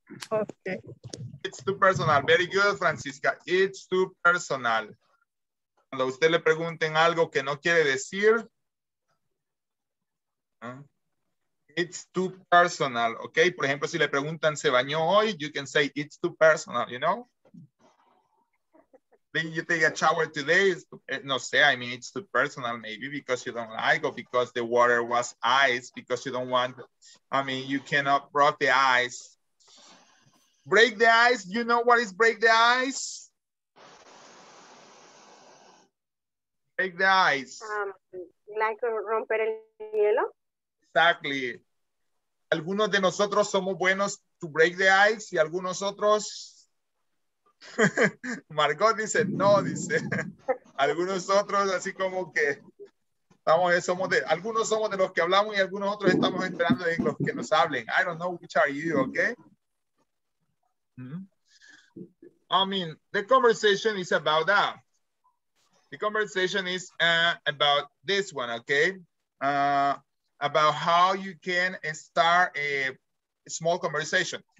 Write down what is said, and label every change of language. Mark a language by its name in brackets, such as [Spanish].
[English] Okay. It's too personal. Very good, Francisca. It's too personal. [Spanish] Cuando usted le pregunten algo que no quiere decir. [English] It's too personal. [Spanish] Okay. Por ejemplo, si le preguntan, ¿se bañó hoy? [English] You can say, it's too personal, you know? Then you take a shower today. [Spanish] No sé, [English] I mean, it's too personal, maybe because you don't like, or because the water was ice, because you don't want, I mean, you cannot break the ice. Break the ice, you know what is break the ice? Break the ice. [Spanish] Like romper el hielo? Exactly. Algunos de nosotros somos buenos [English] to break the ice, [Spanish] y algunos otros... Margot dice, no, dice. Algunos otros así como que estamos, somos de, algunos somos de los que hablamos y algunos otros estamos esperando de los que nos hablen. [English] I don't know which are you, okay? Mm-hmm. I mean, the conversation is about that. The conversation is about this one, okay? About how you can start a small conversation.